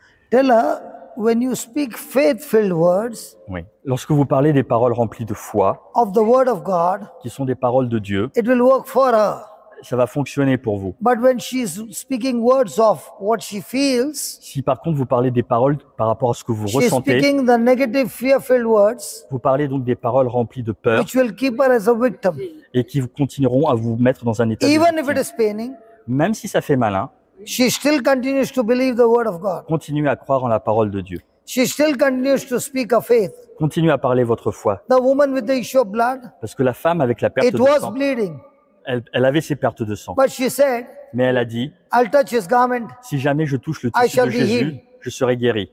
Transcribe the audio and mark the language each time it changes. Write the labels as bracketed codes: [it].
[en] Tell her, when you speak faith-filled words, [fr] oui. Lorsque vous parlez des paroles remplies de foi, [en] of the word of God, [fr] qui sont des paroles de Dieu, [en] it will work for her. [fr] Ça va fonctionner pour vous. [en] But when she is speaking words of what she feels, [fr] si par contre vous parlez des paroles par rapport à ce que vous ressentez, [en] she is speaking the negative, fear-filled words, [fr] vous parlez donc des paroles remplies de peur, [en] which will keep her as a victim, [fr] et qui continueront à vous mettre dans un état [en] even [fr] de victime. [en] If it is paining, [fr] même si ça fait mal, hein, [en] she still continues to believe the word of God. [fr] Continuez à croire en la parole de Dieu. [en] She still continues to speak of faith. [fr] Continuez à parler votre foi. [en] The woman with the issue of blood, [fr] parce que la femme avec la perte [en] it [fr] de [en] was [fr] sang, [en] bleeding. [fr] Elle avait ses pertes de sang. [en] But she said, [fr] mais elle a dit, [en] I'll touch his garment, [fr] si jamais je touche le tissu de Jésus, je serai guéri.